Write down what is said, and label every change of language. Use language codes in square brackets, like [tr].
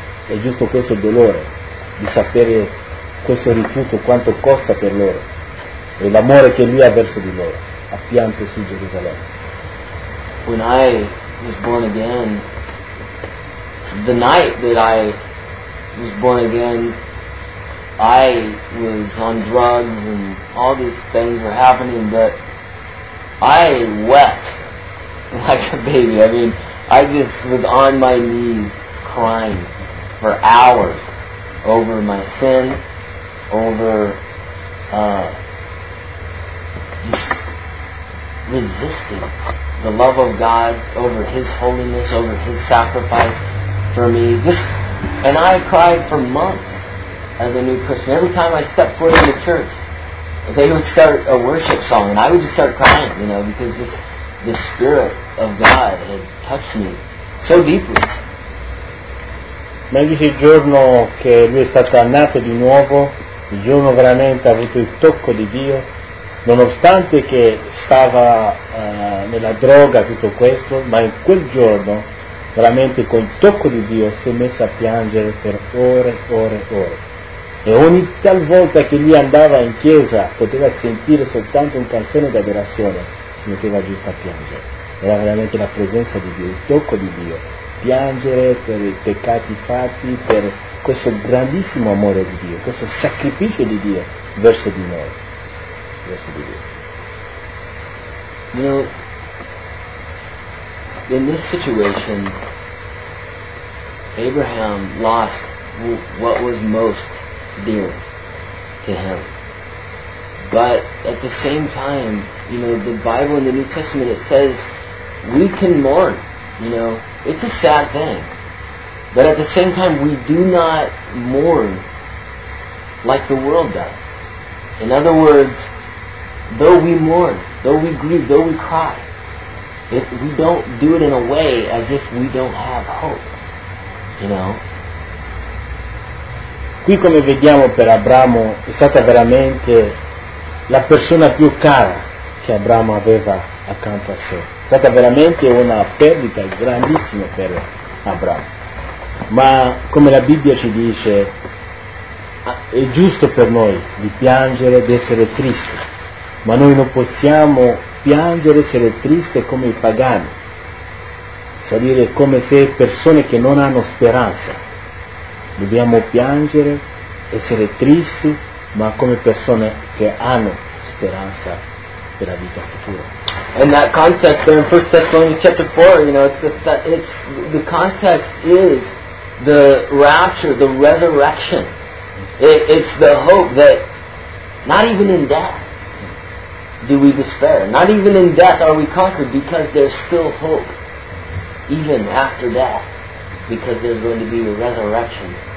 [it] È giusto questo dolore di sapere questo rifiuto quanto costa per loro e l'amore che lui ha verso di loro, ha pianto su Gerusalemme. [en] When I was born again, the night that I was born again, I was on drugs and all these things were happening, but I wept like a baby. I mean, I just was on my knees crying for hours over my sin, over just resisting the love of God, over His holiness, over His sacrifice for me. Just, and I cried for months as a new Christian. Every time I stepped foot in the church, they would start a worship song, and I would just start crying, you know, because the Spirit of God had touched me so deeply. [it] Ma dice il giorno che lui è stato nato di nuovo, il giorno veramente ha avuto il tocco di Dio, nonostante che stava nella droga tutto questo, ma in quel giorno veramente col tocco di Dio si è messo a piangere per ore, ore, ore. E ogni tal volta che lui andava in chiesa poteva sentire soltanto un canzone d'adorazione, si metteva giusto a piangere. Era veramente la presenza di Dio, il tocco di Dio. Piangere per i peccati fatti, per questo grandissimo amore di Dio, questo sacrificio di Dio verso di noi. Verso di Dio. [en] You know, in this situation, Abraham lost what was most dear to him. But at the same time, you know, the Bible in the New Testament, it says we can mourn, you know. It's a sad thing. But at the same time, we do not mourn like the world does. In other words, though we mourn, though we grieve, though we cry, if we don't do it in a way as if we don't have hope, you know? [it] Qui come vediamo per Abramo è stata veramente la persona più cara che Abramo aveva accanto a sé. È stata veramente una perdita grandissima per Abramo. Ma come la Bibbia ci dice, è giusto per noi di piangere, di essere tristi. Ma noi non possiamo piangere, essere triste come i pagani, cioè dire come se persone che non hanno speranza. Dobbiamo piangere, essere tristi, ma come persone che hanno speranza per la vita futura. [en] In that context, there in 1 Thessalonians chapter 4, you know, it's the context is the rapture, the resurrection. It's the hope that not even in death do we despair. Not even in death are we conquered, because there's still hope even after death, because there's going to be a resurrection.